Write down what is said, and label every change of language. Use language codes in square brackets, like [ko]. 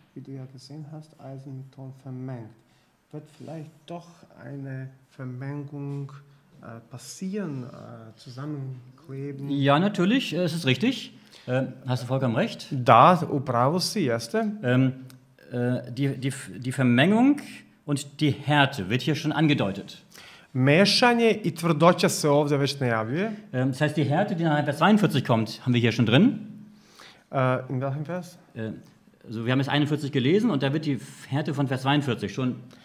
[de] Wie du ja gesehen hast, Eisen mit Ton vermengt. Wird vielleicht doch eine Vermengung passieren, zusammenkleben? Ja, natürlich, es ist richtig. Hast du vollkommen recht. [sr] Da, upravo si jeste. [de] Die Vermengung und die Härte wird hier schon angedeutet. [sr] Mešanje i tvrdoća se ovdje već najavljuje. [de] Das heißt, die Härte, die nach Vers 42 kommt, haben wir hier schon drin. In welchem Vers? So, wir haben es 41 gelesen und da wird die Härte von Vers 42 schon...